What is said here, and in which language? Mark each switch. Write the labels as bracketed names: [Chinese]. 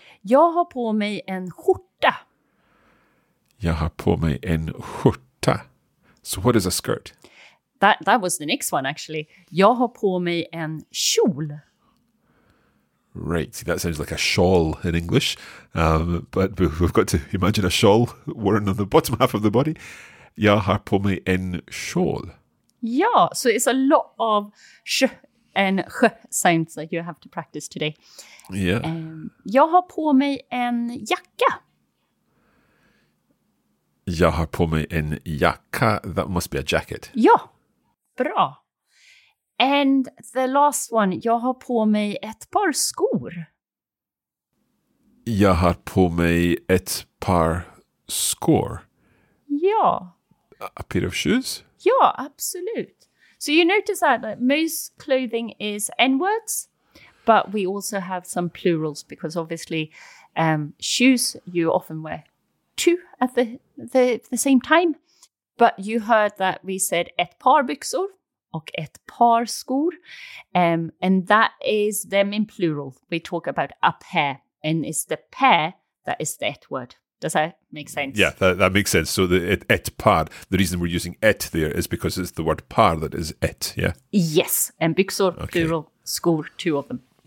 [Swedish] Jag har på mig en skjorta. Jag har på mig en skjorta. [English] So what is a skirt? That was the next one, actually. [Swedish] Jag har på mig en kjol. [English] Right, see, that sounds like a shawl in English, but we've got to imagine a shawl worn on the bottom half of the body. [Swedish] Jag har på mig en shawl. [English] Ja, so it's a lot of sh and sh sounds that you have to practice today. Yeah. [Swedish] Jag har på mig en jacka. Jag har på mig en jacka. [English] That must be a jacket. [Swedish] Ja, bra. [English] And the last one, [Swedish] jag har på mig ett par skor. Jag har på mig ett par skor. Ja. [English] A pair of shoes? [Swedish] Ja, absolut. [English] So you notice that, that most clothing is N-words, but we also have some plurals because obviously shoes you often wear two at the same time. But you heard that we said [Swedish] ett par byxor och ett par skor. [English] And that is them in plural. We talk about a pair and it's the pair that is the ett word. Does that make sense? Yeah, that makes sense. So the ett par, the reason we're using ett there is because it's the word par that is ett, yeah? Yes, and byxor, okay. Plural, skor, two of them.